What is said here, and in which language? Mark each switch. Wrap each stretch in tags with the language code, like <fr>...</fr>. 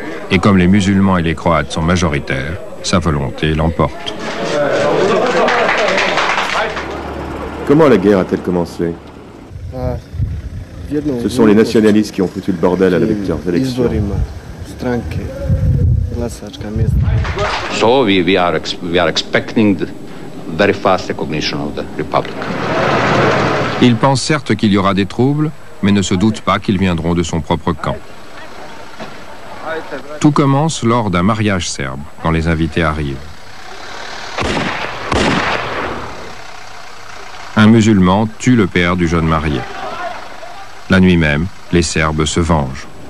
<fr>Et comme les musulmans et les croates sont majoritaires, sa volonté l'emporte. Comment la guerre a-t-elle commencé? Ce sont les nationalistes qui ont foutu le bordel à la victoire d'élections.</fr> <en>So we are expecting the very fast recognition of the Republic.</en> <fr>Il pense certes qu'il y aura des troubles, mais ne se doute pas qu'ils viendront de son propre camp. Tout commence lors d'un mariage serbe, quand les invités arrivent. Un musulman tue le père du jeune marié. La nuit même, les Serbes se vengent.</fr>